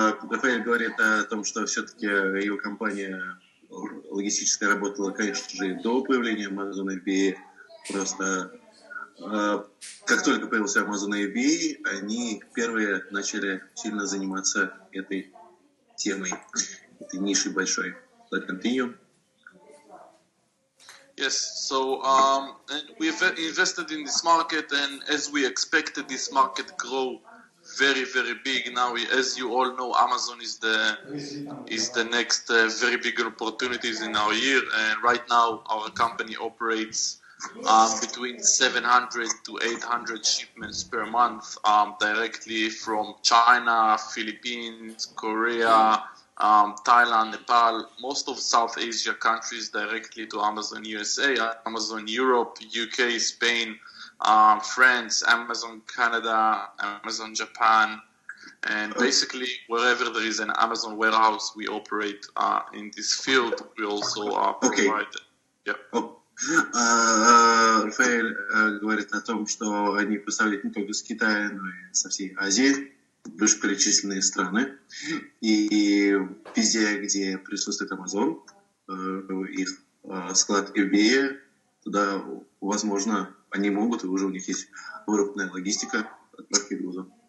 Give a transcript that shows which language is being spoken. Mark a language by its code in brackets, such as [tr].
[ru] Рафаэль говорит о том, что все-таки его компания логистически работала, конечно же, до появления Amazon FBA. Просто как только появился Amazon FBA, они первые начали сильно заниматься этой темой, этой нишей большой. [en] Let's continue. Yes, so we've invested in this market, and as we expected, this market grow very, very big now. As you all know, Amazon is the next very big opportunities in our year. And right now, our company operates between 700 to 800 shipments per month directly from China, Philippines, Korea, Thailand, Nepal, most of South Asia countries directly to Amazon USA, Amazon Europe, UK, Spain, France, Amazon Canada, Amazon Japan, and basically wherever there is an Amazon warehouse, we operate in this field. We also provide. [ru] Рафаэль говорит о том, что они поставляют не только с Китая, но и со всей Азии, вышеперечисленные страны, и везде, где присутствует Amazon, их склад FBA, туда, возможно, они могут, и уже у них есть выработанная логистика отправки грузов.